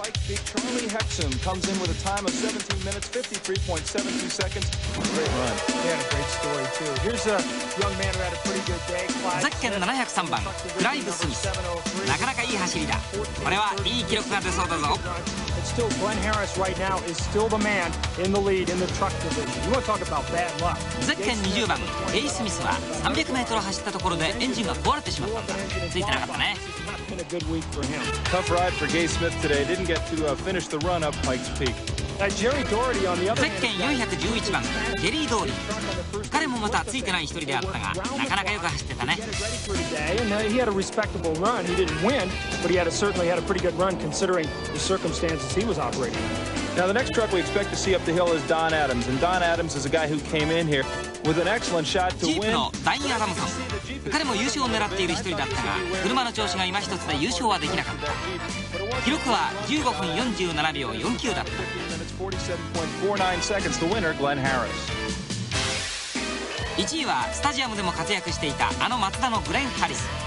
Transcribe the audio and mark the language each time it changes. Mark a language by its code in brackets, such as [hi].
[en] Charlie Hexham comes in with a time of 17 minutes, 53.72 seconds. Great run. He had a great story, too. Here's a young man who had a pretty good day. [ja] ゼッケン703番、クライブ・スミス。なかなかいい走りだ。これはいい記録が出そうだぞ。 [en] It's still Glenn Harris right now is still the man in the lead in the truck division. You want to talk about bad luck. [ja] ゼッケン20番、エイ・スミスは 300m 走ったところでエンジンが壊れてしまったんだ。ついてなかったね。 [en] A good week for him. Tough ride for Gay Smith today. Didn't get to finish the run up Pike's Peak. Jerry Doherty on the other hand. [ja] ゼッケン411番、ゲリー・ドーリー。彼もまたついてない一人であったが、なかなかよく走ってたね。 [en] He had a respectable run. He didn't win, but he had certainly had a pretty good run considering the circumstances he was operating in. Now the next truck we expect to see up the hill is Don Adams. And Don Adams is a guy who came in here with an excellent shot to win. [ja] ジープのダイン・アダムソン。彼も優勝を狙っている一人だったが、車の調子が今一つで優勝はできなかった。記録は15分47秒49だった。 1 位はスタジアムでも活躍していたあのマツダのグレン・ハリス。